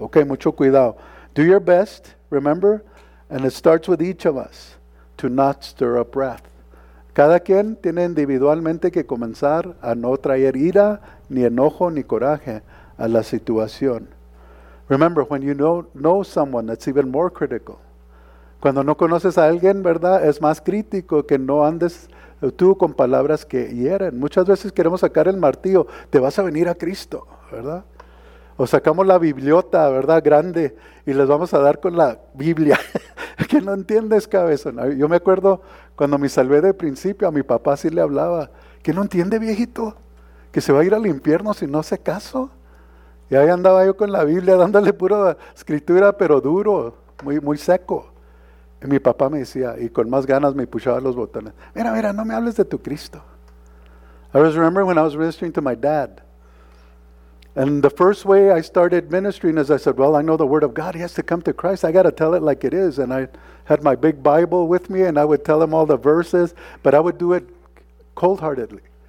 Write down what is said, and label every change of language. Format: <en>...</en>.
<es>Okay, mucho cuidado.</es> <en>Do your best, remember, and it starts with each of us, to not stir up wrath.</en> <es>Cada quien tiene individualmente que comenzar a no traer ira, ni enojo, ni coraje a la situación.</es> <en>Remember, when you know someone, that's even more critical.</en> <es>Cuando no conoces a alguien, ¿verdad? Es más crítico que no andes tú con palabras que hieren. Muchas veces queremos sacar el martillo, te vas a venir a Cristo, ¿verdad? O sacamos la bibliota, ¿verdad? Grande, y les vamos a dar con la Biblia. ¿Qué no entiendes, cabezón? Yo me acuerdo cuando me salvé de principio, a mi papá sí le hablaba. ¿Qué no entiende, viejito? ¿Que se va a ir al infierno si no hace caso? Y ahí andaba yo con la Biblia, dándole pura escritura, pero duro, muy, muy seco. Y mi papá me decía, y con más ganas me puchaba los botones. Mira, mira, no me hables de tu Cristo.</es> <en>I was remembering when I was ministering to my dad. And the first way I started ministering is I said, well, I know the word of God. He has to come to Christ. I got to tell it like it is. And I had my big Bible with me, and I would tell him all the verses, but I would do it cold-heartedly.</en>